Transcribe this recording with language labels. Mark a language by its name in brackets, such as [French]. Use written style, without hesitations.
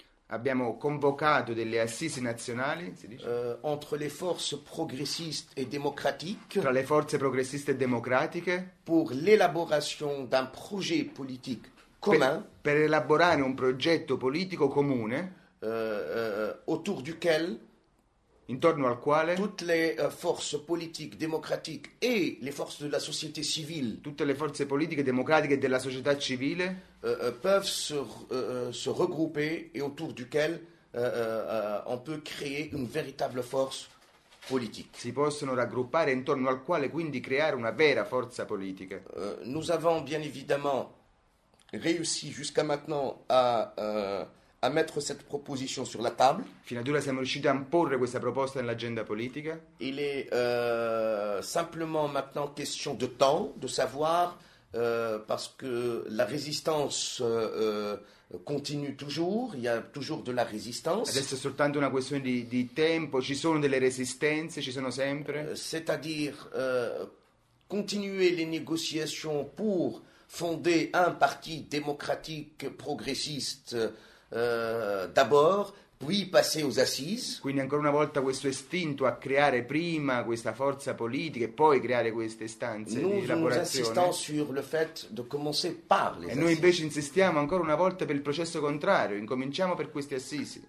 [Italian] Abbiamo convocato delle assise nazionali, si dice, [French] entre les forces progressistes et démocratiques, [Italian] tra le forze progressiste e democratiche, [French] pour l'élaboration d'un projet politique commun, [Italian] per elaborare un progetto politico comune, [French] autour duquel, [Italian] intorno al quale, [French] toutes les forces politiques démocratiques et les forces de la société civile, [Italian] tutte le forze politiche democratiche della società civile, [French] peuvent se regrouper et autour duquel on peut créer une véritable force politique. [Italian] Si possono raggruppare intorno al quale quindi creare una vera forza politica. [French] Nous avons bien évidemment réussi jusqu'à maintenant à mettre cette proposition sur la table. [Italian] Fino ad ora siamo riusciti a imporre questa proposta nell'agenda politica. [French] Il est simplement maintenant question de temps, de savoir. Parce que la résistance continue toujours, il y a toujours de la résistance. [Italian] Adesso è soltanto una questione di tempo, ci sono delle resistenze, ci sono sempre. [French] C'est-à-dire continuer les négociations pour fonder un parti démocratique progressiste d'abord, puis passer aux assises. [Italian] Quindi ancora una volta questo istinto a creare prima questa forza politica e poi creare queste stanze [French] nous, [Italian] di elaborazione. [French] Nous insistons sur le fait de commencer par les [Italian] e noi invece insistiamo ancora una volta per il processo contrario, incominciamo per queste assise.